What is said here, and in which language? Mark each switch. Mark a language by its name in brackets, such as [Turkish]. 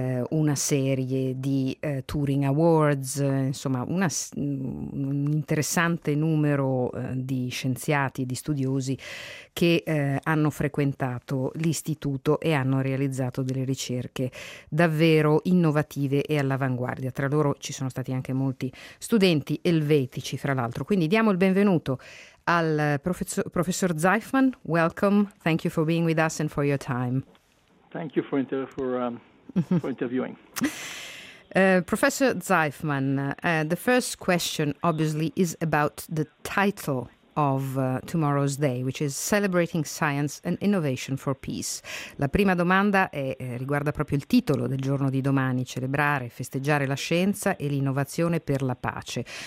[Italian] una serie di Turing Awards, insomma un interessante numero di scienziati e di studiosi che hanno frequentato l'istituto e hanno realizzato delle ricerche davvero innovative e all'avanguardia. Tra loro ci sono stati anche molti studenti elvetici, fra l'altro. Quindi diamo il benvenuto al professor Zeifman. [English] Welcome. Thank you for being with us and for your time. Thank you for interviewing. Professor Zeifman, the first question obviously is about the title of tomorrow's day, which is Celebrating Science and Innovation for Peace. [Italian] La prima domanda riguarda proprio il titolo del giorno di domani, celebrare, festeggiare la scienza e l'innovazione per la pace.